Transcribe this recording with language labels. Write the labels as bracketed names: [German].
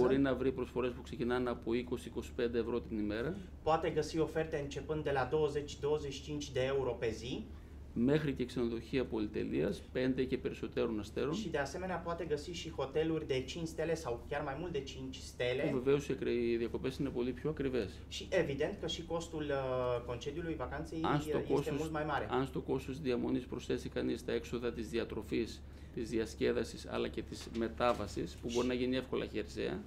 [Greek] Μπορεί να βρει προσφορές που ξεκινάνε από 20-25 ευρώ την ημέρα. [Romanian] Poate găsi oferte începând de la 20-25 de euro pe zi. [Greek] Μέχρι και ξενοδοχεία πολυτελείας, 5 και περισσότερων αστέρων. [Romanian] Și de asemenea poate găsi și hoteluri de 5 stele sau chiar mai mult de 5 stele. [Greek] Βεβαίως οι διακοπές είναι πολύ πιο ακριβές. [Romanian] Și evident că și costul concediului, vacanței, este mult mai mare. [Greek] Αν στο κόστος της διαμονής προσθέσει κανείς τα έξοδα της διατροφής, της διασκέδασης, αλλά και της μετάβασης, που μπορεί να γίνει εύκολα χερσαία.